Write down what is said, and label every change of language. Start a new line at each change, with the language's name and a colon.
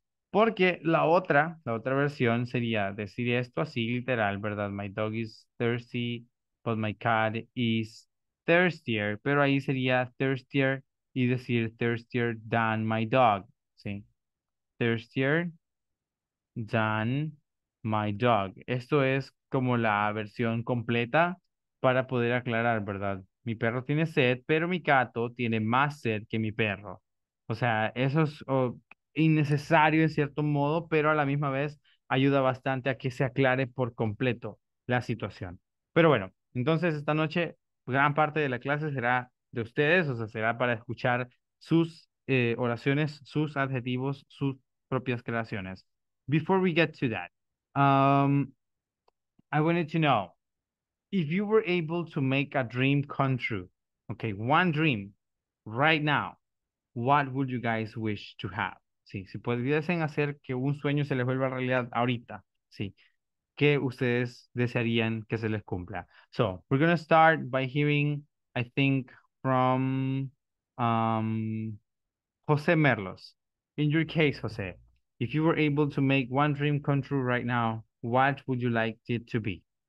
Spanish: Porque la otra versión sería decir esto así, literal, ¿verdad?
English: My dog is thirsty, but my cat is thirstier.
Spanish: Pero ahí sería thirstier y decir
English: thirstier than my dog.
Spanish: Sí.
English: Thirstier than my dog.
Spanish: Esto es como la versión completa para poder aclarar, ¿verdad? Mi perro tiene sed, pero mi gato tiene más sed que mi perro. O sea, eso es innecesario en cierto modo, pero a la misma vez ayuda bastante a que se aclare por completo la situación. Pero bueno, entonces esta noche gran parte de la clase será de ustedes, o sea, será para escuchar sus oraciones, sus adjetivos, sus propias creaciones.
English: Before we get to that, I wanted to know if you were able to make a dream come true, okay, one dream right now, what would you guys wish to have?
Spanish: Sí, si pudiesen hacer que un sueño se les vuelva realidad ahorita, sí, ¿qué ustedes desearían que se les cumpla?
English: So, we're gonna start by hearing, I think, from José Merlos. In your case, José, if you were able to make one dream come true right now, what would you like it to be?